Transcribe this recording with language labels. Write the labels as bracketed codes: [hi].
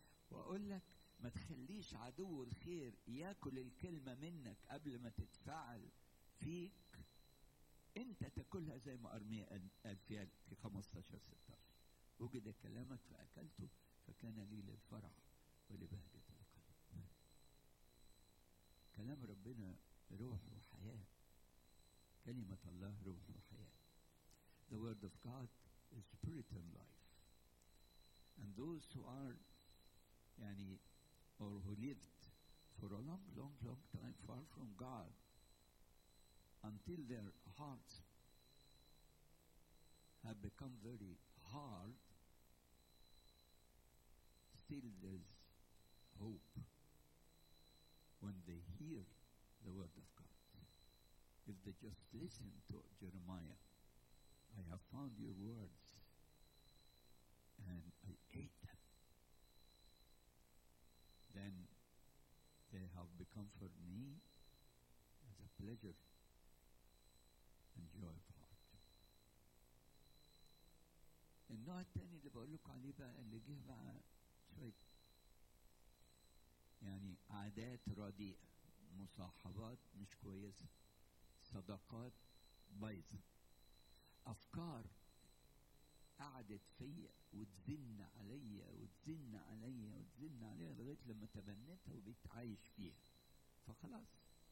[ar] وأقول لك ما تخليش عدو الخير يأكل الكلمة منك قبل ما تتفعل فيك، أنت تأكلها زي ما أرمية قال في 15-16: وجد كلامك فأكلته، فكان لي للفرح ولبهجة القلب. كلام ربنا روح وحياة، كلمة الله روح وحياة. [en] The word of God is spirit and life. And those who are [ar] يعني [en] or who lived for a long long long time far from God until their hearts have become very hard, still there's hope when they hear the word of God. if they just listen to Jeremiah, I have found your words, and I ate them, then they have become for me as a pleasure and joy of heart. [ar] النوع الثاني اللي بقول لكم عليه بقى اللي جه بقى شوية يعني عادات رديئة, مصاحبات مش كويسة, صداقات بايظة, أفكار قعدت فيا وتزن عليا وتزن عليا وتزن عليا لغاية لما تبنتها وبقيت عايش فيها فخلاص.